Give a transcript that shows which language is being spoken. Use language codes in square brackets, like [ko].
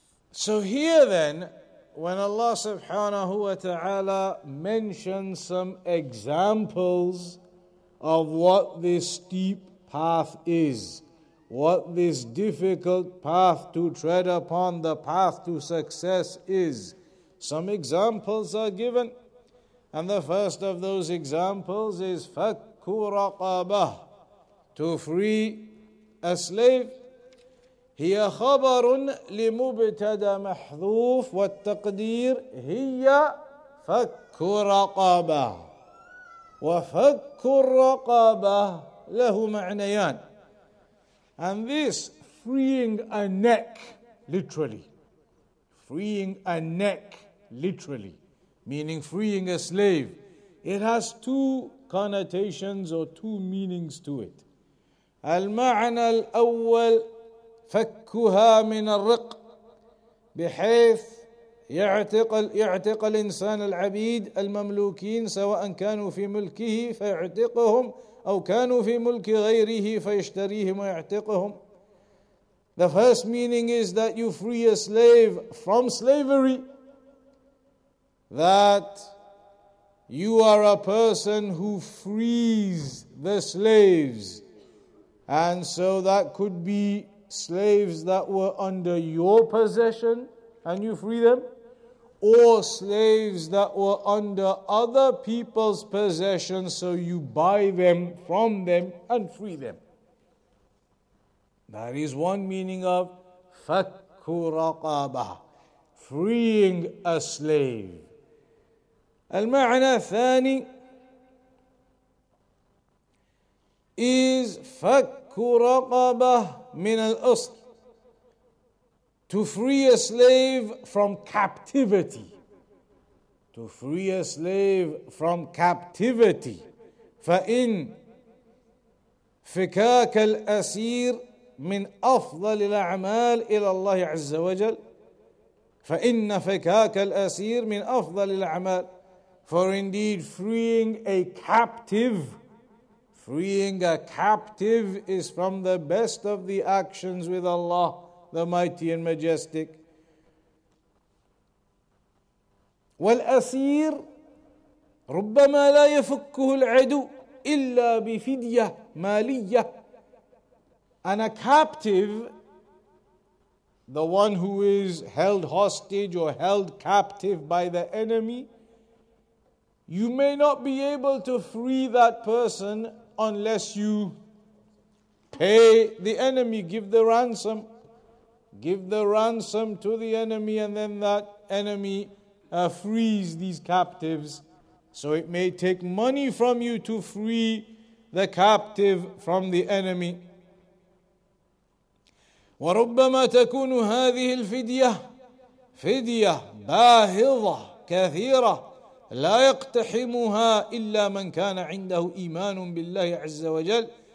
[en] So here then, when Allah subhanahu wa ta'ala mentions some examples of what this steep path is, what this difficult path to tread upon, the path to success is, some examples are given. And the first of those examples is [ar] فَكُّ رَقَابَةٍ, [en] to free a slave. [ar] هي خبر لمبتدى محذوف والتقدير هي فك رقابة وفك الرقابة له معنيان. [en] And this freeing a neck, literally, freeing a neck, literally, meaning freeing a slave, it has two connotations or two meanings to it. [ar] المعنى الأول فكها من الرق بحيث يعتق الإنسان العبيد المملوكين سواء كانوا في ملكه فيعتقهم أو كانوا في ملك غيره فيشتريهم ويعتقهم. [en] The first meaning is that you free a slave from slavery, that you are a person who frees the slaves, and so that could be slaves that were under your possession and you free them, or slaves that were under other people's possession, so you buy them from them and free them. That is one meaning of [ar] فَكُّ رَقَابَةٍ, [en] freeing a slave. [ar] المعنى الثاني [en] is [ar] فَكُّ رَقَابَةٍ من الأصل, [en] to free a slave from captivity. To free a slave from captivity. [ar] فإن فكاك الأسير من أفضل الأعمال إلى الله عز وجل. فإن فكاك الأسير من أفضل الأعمال. [en] For indeed, freeing a captive is from the best of the actions with Allah, the Mighty and Majestic. [ar] والأسير ربما لا يفكه العدو إلا بفدية مالية. [en] And a captive, the one who is held hostage or held captive by the enemy, you may not be able to free that person unless you pay the enemy, give the ransom to the enemy, and then that enemy frees these captives. So it may take money from you to free the captive from the enemy. [ar] وربما تكون هذه الفدية فدية باهظة كثيرة لا يقتحمها إلا من كان عنده إيمان بالله عز وجل.